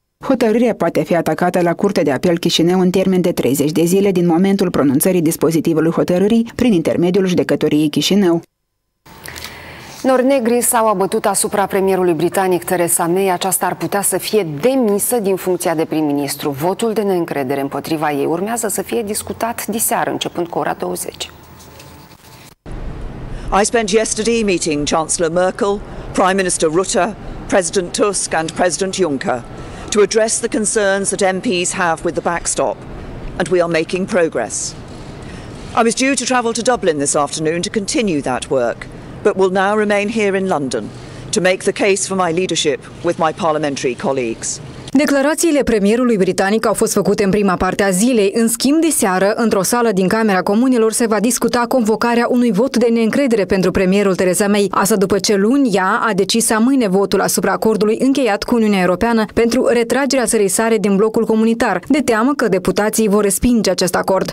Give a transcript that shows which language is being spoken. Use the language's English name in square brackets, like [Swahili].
[Romanian] Hotărârea poate fi atacată la Curtea de Apel Chișinău în termen de 30 de zile din momentul pronunțării dispozitivului hotărârii prin intermediul judecătoriei Chișinău. Nori negri s-au abătut asupra premierului britanic Theresa May, aceasta ar putea să fie demisă din funcția de prim-ministru. Votul de neîncredere împotriva ei urmează să fie discutat diseară, începând cu ora 20. [English] I spent yesterday meeting Chancellor Merkel, Prime Minister Rutte, President Tusk and President Juncker to address the concerns that MPs have with the backstop, and we are making progress. I was due to travel to Dublin this afternoon to continue that work, but will now remain here in London to make the case for my leadership with my parliamentary colleagues. [Romanian] Declarațiile premierului britanic au fost făcute în prima parte a zilei. În schimb, de seară, într-o sală din Camera Comunilor, se va discuta convocarea unui vot de neîncredere pentru premierul Theresa May. Asta după ce luni ea a decis să amâne votul asupra acordului încheiat cu Uniunea Europeană pentru retragerea țării sale din blocul comunitar, de teamă că deputații vor respinge acest acord.